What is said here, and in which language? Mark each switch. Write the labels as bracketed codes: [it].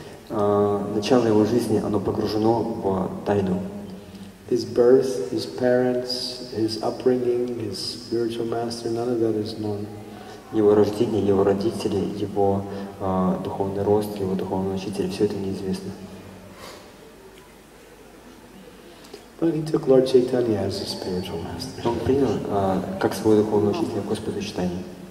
[ru] Начало его жизни, оно погружено в тайну. [en] His birth, his parents, his upbringing, his spiritual master, none of that is known. [ru] Его рождение, его родители, его духовный рост, его духовного учителя, все это неизвестно. [en] But he took Lord Chaitanya as his spiritual master. [ru] Он принял как своего духовного учителя Господа Чайтанью.